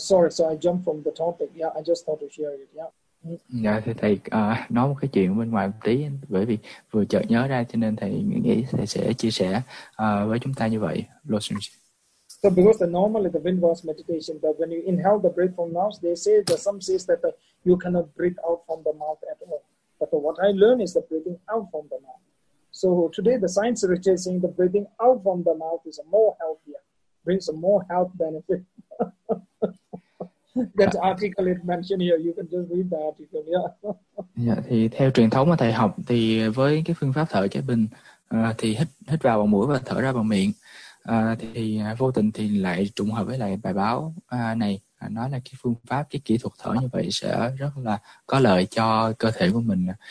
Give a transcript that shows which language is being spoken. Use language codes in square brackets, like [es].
[en] Sorry, so I jump from the topic. Yeah, I just thought to share it. Yeah. [vi] Dạ thì thầy nói một cái chuyện bên ngoài một tí, bởi vì vừa chợt nhớ ra cho nên thầy nghĩ thầy sẽ chia sẻ với chúng ta như vậy. [en] So because the normally the Windvast meditation that when you inhale the breath from mouth, they say that some says that you cannot breathe out from the mouth at all. But what I learned is the breathing out from the mouth. So today the science research is saying the breathing out from the mouth is more healthier, brings a more health benefit. That article it mentioned here, you can just read the article, yeah. [vi] Yeah, thì theo truyền thống mà thầy học thì với cái phương pháp thở trái bình thì hít vào bằng mũi và thở ra bằng miệng. Thì vô tình thì lại trùng hợp với lại bài báo này nói là cái phương pháp, cái kỹ thuật thở như vậy sẽ rất là có lợi cho cơ thể của mình.